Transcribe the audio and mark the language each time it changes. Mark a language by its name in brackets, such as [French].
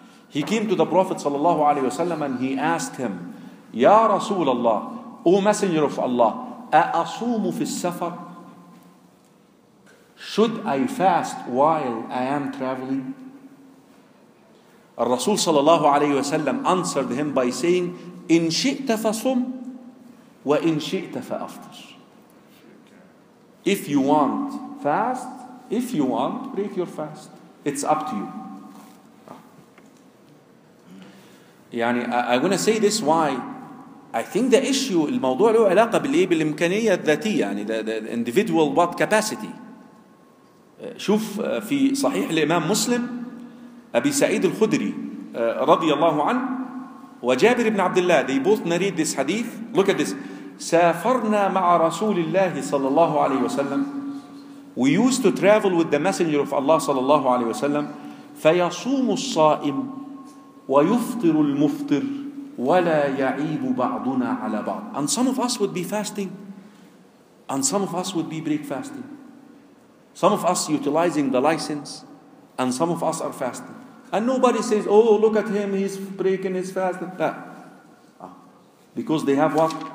[English] He came to the Prophet sallallahu alaihi wasallam and he asked him, Ya Rasul Allah, O Messenger of Allah, [Arabic] أَأَصُومُ فِي السَّفَرِ. [English] Should I fast while I am traveling? [Arabic] الرسول صلى الله عليه وسلم [English] answered him by saying, [Arabic] إِن شِئْتَ فَصُمْ وَإِن شِئْتَ فَأَفْطِرْ. [English] If you want fast, if you want, break your fast. It's up to you. يعني I'm going to say this why I think the issue, [Arabic] الموضوع له علاقة بالإمكانية الذاتية, [English] يعني the individual what capacity. [Arabic] شوف في صحيح الإمام مسلم أبي سعيد الخدري رضي الله عنه وجابر بن عبد الله, [English] they both narrate this hadith. Look at this. [Arabic] سافرنا مع رسول الله صلى الله عليه وسلم. [English] We used to travel with the messenger of Allah صلى الله عليه وسلم. [Arabic] فيصوم الصائم ويفطر المفطر ولا يعيب بعضنا على بعض. [English] And some of us would be fasting and some of us would be breakfasting. Some of us utilizing the license and some of us are fasting. And nobody says, oh, look at him, he's breaking his fast. Because they have what?